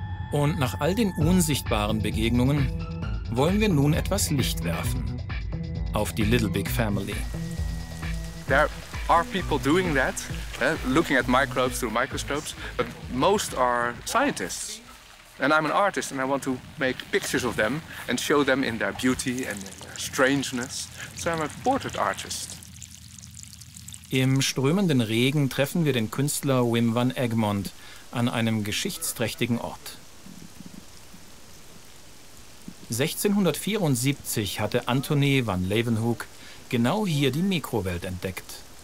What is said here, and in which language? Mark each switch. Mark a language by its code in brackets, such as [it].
[de] Und nach all den unsichtbaren Begegnungen wollen wir nun etwas Licht werfen auf die Little Big Family. [en] There are people doing that, looking at microbes through microscopes, but most are scientists. And I'm an artist and I want to make pictures of them and show them in their beauty and in their strangeness. So I'm a portrait artist. [de] Im strömenden Regen treffen wir den Künstler Wim van Egmond an einem geschichtsträchtigen Ort. 1674 hatte Antoni van Leeuwenhoek genau hier die Mikrowelt entdeckt.